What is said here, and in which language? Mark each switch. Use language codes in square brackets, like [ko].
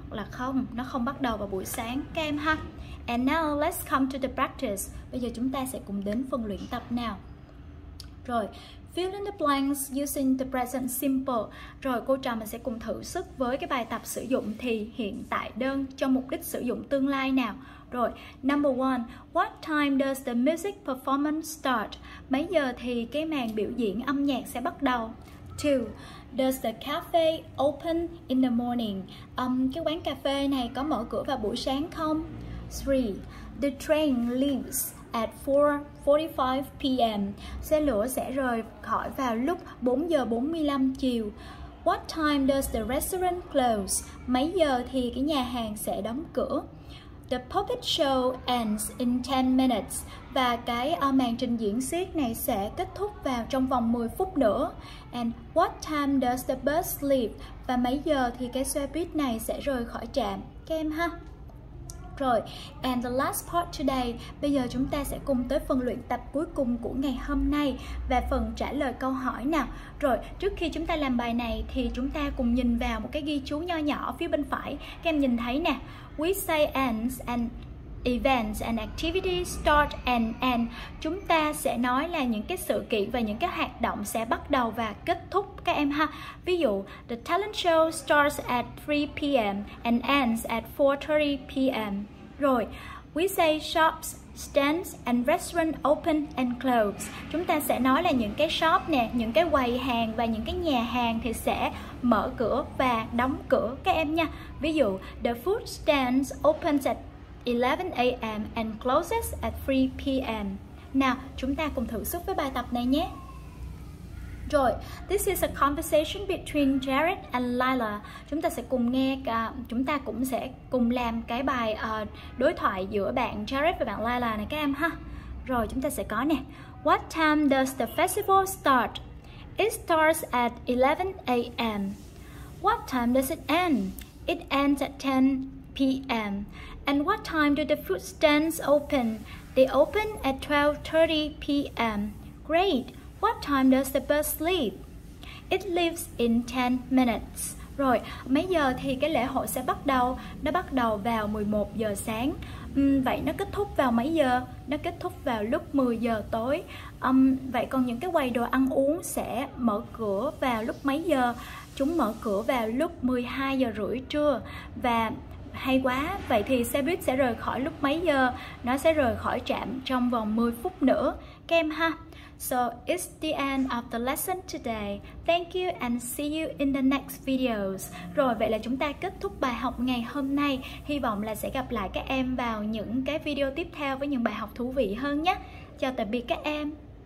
[vi] Là không, nó không bắt đầu vào buổi sáng. Các em ha. [en] And now let's come to the practice. [vi] Bây giờ chúng ta sẽ cùng đến phần luyện tập nào. Rồi, [en] fill in the blanks using the present simple. [vi] Rồi cô trò mình sẽ cùng thử sức với cái bài tập sử dụng thì hiện tại đơn cho mục đích sử dụng tương lai nào. [en] Rồi, number one, what time does the music performance start? [vi] Mấy giờ thì cái màn biểu diễn âm nhạc sẽ bắt đầu? [en] Two, does the cafe open in the morning? [vi] Cái quán cà phê này có mở cửa vào buổi sáng không? 3. [en] The train leaves at 4:45 p.m. [vi] Xe lửa sẽ rời khỏi vào lúc 4:45 chiều. [en] What time does the restaurant close? [vi] Mấy giờ thì cái nhà hàng sẽ đóng cửa? [en] The puppet show ends in 10 minutes. [vi] Và cái màn trình diễn xiếc này sẽ kết thúc vào trong vòng 10 phút nữa. [en] And what time does the bus leave? [vi] Và mấy giờ thì cái xe buýt này sẽ rời khỏi trạm? Các em ha. Rồi, [en] and the last part today. [vi] Bây giờ chúng ta sẽ cùng tới phần luyện tập cuối cùng của ngày hôm nay và phần trả lời câu hỏi nào. Rồi, trước khi chúng ta làm bài này thì chúng ta cùng nhìn vào một cái ghi chú nho nhỏ phía bên phải. Các em nhìn thấy nè. [en] We say ends and events and activities start and end. [vi] Chúng ta sẽ nói là những cái sự kiện và những cái hoạt động sẽ bắt đầu và kết thúc các em ha. Ví dụ, [en] the talent show starts at 3 p.m. and ends at 4:30 p.m. Rồi, we say shops, stands and restaurants open and close. [vi] Chúng ta sẽ nói là những cái shop nè, những cái quầy hàng và những cái nhà hàng thì sẽ mở cửa và đóng cửa các em nha. [en] Ví dụ, the food stands opens at 11 a.m. and closes at 3 p.m. [vi] Nào, chúng ta cùng thử sức với bài tập này nhé. [en] Rồi, this is a conversation between Jared and Lila. [vi] Chúng ta sẽ cùng nghe, chúng ta cũng sẽ cùng làm cái bài đối thoại giữa bạn Jared và bạn Lila này các em ha. Rồi, chúng ta sẽ có nè. [en] What time does the festival start? It starts at 11 a.m. What time does it end? It ends at 10 p.m. And what time do the food stands open? They open at 12:30 p.m. Great! What time does the bus leave? It leaves in 10 minutes. [vi] Rồi, mấy giờ thì cái lễ hội sẽ bắt đầu? Nó bắt đầu vào 11 giờ sáng. Vậy nó kết thúc vào mấy giờ? Nó kết thúc vào lúc 10 giờ tối. Vậy còn những cái quầy đồ ăn uống sẽ mở cửa vào lúc mấy giờ? Chúng mở cửa vào lúc 12 giờ rưỡi trưa. Và hay quá, vậy thì xe buýt sẽ rời khỏi lúc mấy giờ? Nó sẽ rời khỏi trạm trong vòng 10 phút nữa. Kem ha. [en] So it's the end of the lesson today. Thank you and see you in the next videos. [vi] Rồi, vậy là chúng ta kết thúc bài học ngày hôm nay. Hy vọng là sẽ gặp lại các em vào những cái video tiếp theo với những bài học thú vị hơn nhé. Chào tạm biệt các em.